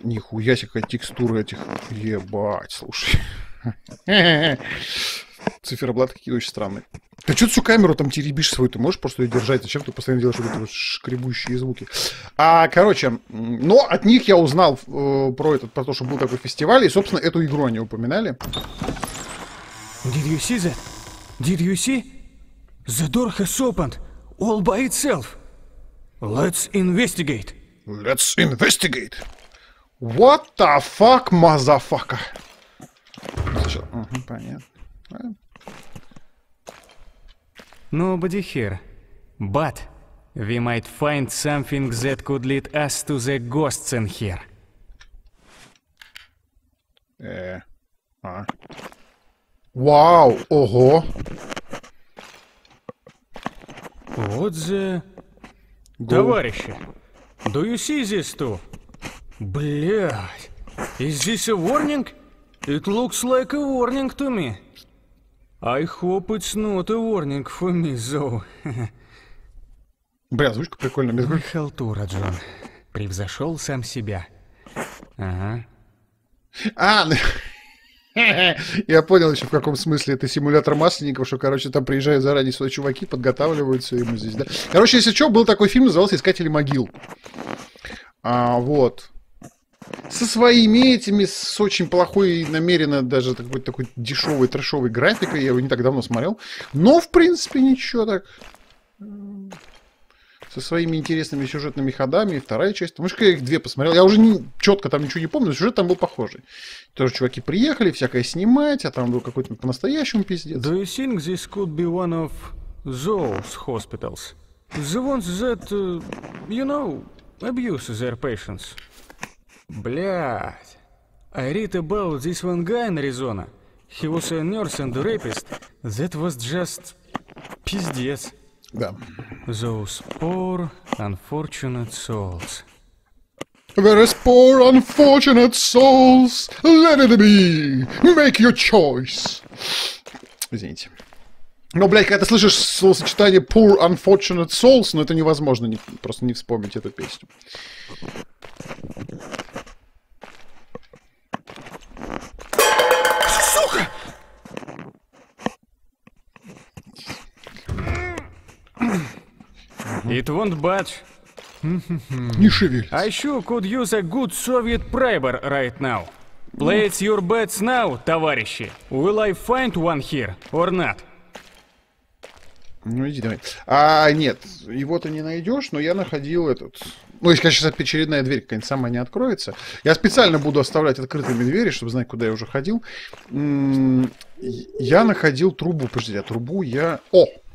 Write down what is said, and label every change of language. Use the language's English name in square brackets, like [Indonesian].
[Russian] Нихуя себе, какая текстура этих... Ебать, слушай. Циферблаты какие очень странные. Да что ты всю камеру там теребишь свою? Ты можешь просто ее держать? Зачем ты постоянно делаешь вот эти вот шкребущие звуки? А, короче, но от них я узнал про этот, про то, что был такой фестиваль, и, собственно, эту игру они упоминали. [English] Did you see that? Did you see? The door has opened all by itself. Let's investigate. Let's investigate. What the fuck, motherfucker? [Russian] Сейчас, понятно. [English] Nobody here. But we might find something that could lead us to the ghosts in here. [Russian] Вау, ого. Вот за... Товарищи, [English] do you see this too? [Russian] Блядь, [English] is this a warning? It looks like a warning to me. I hope it's not a warning for me, though. [Russian] Бля, звучка прикольная, мне звучит. Халтура, Джон. Превзошел сам себя. Ага. А, ну... Я понял еще в каком смысле. Это симулятор масленников, что, короче, там приезжают заранее свои чуваки, подготавливаются ему здесь, да? Короче, если что, был такой фильм, назывался «Искатели могил». А, вот. Со своими этими, с очень плохой, намеренно даже такой, такой дешевой, трэшовой графикой. Я его не так давно смотрел. Но, в принципе, ничего так. Со своими интересными сюжетными ходами. И вторая часть. Потому что я их две посмотрел. Я уже не, четко там ничего не помню, но сюжет там был похожий. Тоже чуваки приехали, всякое снимать, а там был какой-то по-настоящему пиздец. [English] Do you think this could be one of those hospitals? The ones that, you know, abuse their patients. [Russian] Блядь. [English] I read about this one guy in Arizona. He was a nurse and a rapist. That was just... [Russian] пиздец. Да. [English] Those poor, unfortunate souls. There is poor, unfortunate souls. Let it be. Make your choice. [Russian] Извините. Но, блядь, когда ты слышишь словосочетание [English] poor, unfortunate souls, [Russian] ну это невозможно не, просто не вспомнить эту песню. [English] It won't budge. [Russian] Не шевелись. [English] I sure could use a good Soviet primer right now. Place your bets now, [Russian] товарищи. [English] Will I find one here or not? [Russian] Ну иди давай. А, нет, его ты не найдешь, но я находил этот... Ну, если, конечно, очередная дверь какая-нибудь сама не откроется. Я специально буду оставлять открытыми двери, чтобы знать, куда я уже ходил. Я находил трубу. Подожди, а трубу я... О!